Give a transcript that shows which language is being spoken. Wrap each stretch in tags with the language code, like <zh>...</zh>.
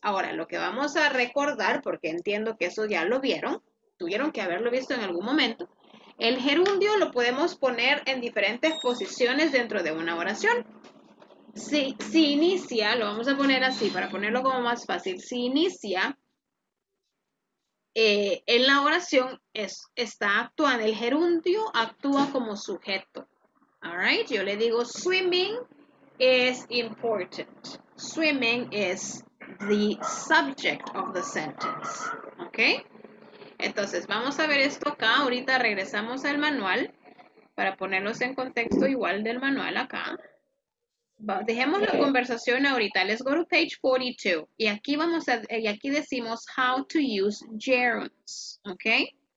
<es>Ahora, lo que vamos a recordar, porque entiendo que eso ya lo vieron, tuvieron que haberlo visto en algún momento, el gerundio lo podemos poner en diferentes posiciones dentro de una oración. Si inicia, lo vamos a poner así para ponerlo como más fácil. Si inicia en la oración, está actuando. El gerundio actúa como sujeto.</es> <en>All right?</en> <es>Yo le digo,</es> <en>swimming is important. Swimming is the subject of the sentence. Ok.</en> <es>¿Ok? Entonces, vamos a ver esto acá. Ahorita regresamos al manual para ponerlos en contexto igual del manual acá. Dejemos la conversación ahorita.</es> <en>Let's go to page 42.</en> <es>Y aquí vamos a, y aquí decimos</es> <en>how to use gerunds.</en> <es>¿Ok?</es>